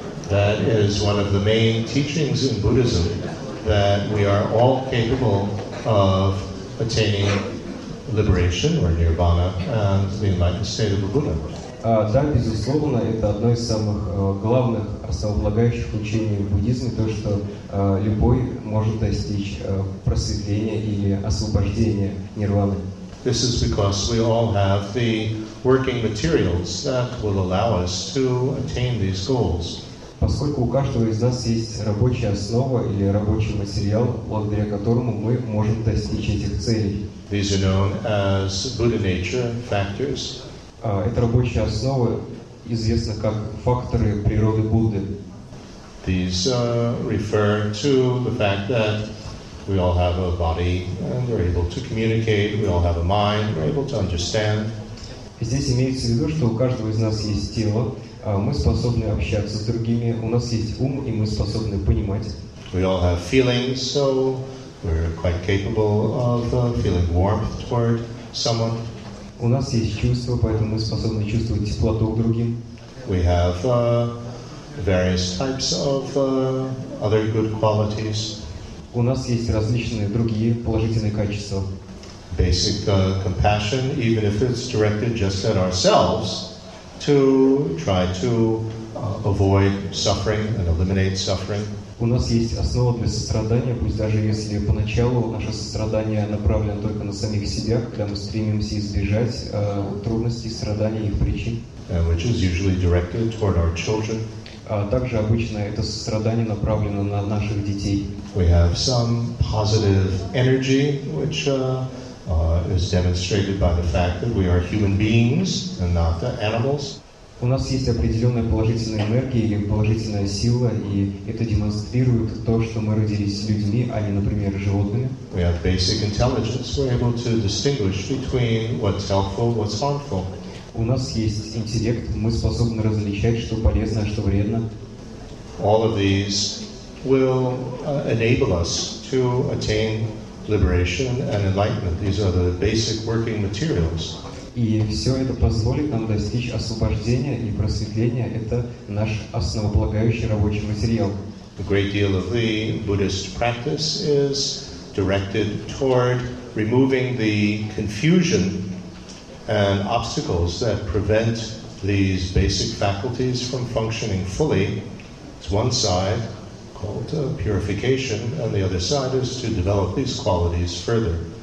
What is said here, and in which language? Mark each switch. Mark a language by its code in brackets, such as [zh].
[en] That is one of the main teachings in Buddhism, that we are all capable of attaining liberation or nirvana and the enlightened state of a Buddha. [ru] Да, безусловно, это одно из самых главных основополагающих учений в буддизме, то, что любой может достичь просветления или освобождения нирваны. [en] This is because we all have the working materials that will allow us to attain these goals. [ru] Поскольку у каждого из нас есть рабочая основа или рабочий материал, благодаря которому мы можем достичь этих целей. [en] These are known as Buddha nature factors. [ru] Это рабочая основа, известна как факторы природы Будды. [en] These refer to the fact that we all have a body and we're able to communicate, we all have a mind, we're able to understand. [ru] Здесь имеется в виду, что у каждого из нас есть тело, мы способны общаться с другими, у нас есть ум, и мы способны понимать. [en] We all have feelings, so we're quite capable of feeling warmth toward someone. [ru] У нас есть чувства, поэтому мы способны чувствовать теплоту к другим. [en] We have various types of other good qualities. [ru] У нас есть различные другие положительные качества. [en] Basic compassion, even if it's directed just at ourselves, to try to avoid suffering and eliminate suffering. [ru] У нас есть основа для сострадания, пусть даже если поначалу наше сострадание направлено только на самих себя, когда мы стремимся избежать трудностей, страданий и их причин. [en] Which is usually directed toward our children. [ru] Также обычно это сострадание направлено на наших детей. [en] We have some positive energy, which is demonstrated by the fact that we are human beings and not the animals. [ru] У нас есть определенная положительная энергия или положительная сила, и это демонстрирует то, что мы родились людьми, а не, например, животными. [en] We have basic intelligence. We're able to distinguish between what's helpful, what's harmful. [ru] У нас есть интеллект. Мы способны различать, что полезно, а что вредно. [en] All of these will enable us to attain liberation and enlightenment. These are the basic working materials. [ru] И все это позволит нам достичь освобождения и просветления. Это наш основополагающий рабочий материал. [en] A great deal of the Buddhist practice is directed toward removing the confusion and obstacles that prevent these basic faculties from functioning fully. It's one side called purification, and the other side is to develop these qualities further.